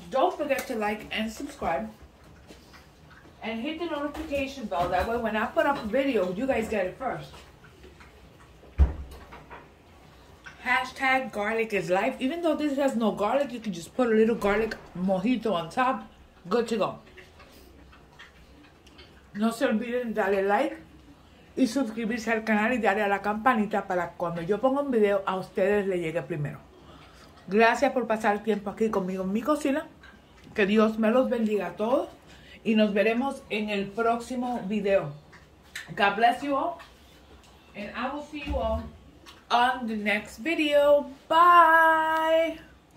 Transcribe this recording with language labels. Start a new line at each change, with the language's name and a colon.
English: Don't forget to like and subscribe and hit the notification bell, that way when I put up a video, you guys get it first. Hashtag garlic is life. Even though this has no garlic, you can just put a little garlic mojito on top. Good to go.
Spanish: No se olviden darle like y suscribirse al canal y darle a la campanita para cuando yo ponga un video a ustedes le llegue primero. Gracias por pasar tiempo aquí conmigo en mi cocina. Que Dios me los bendiga a todos y nos veremos en el próximo video.
English: God bless you all and I will see you all on the next video. Bye.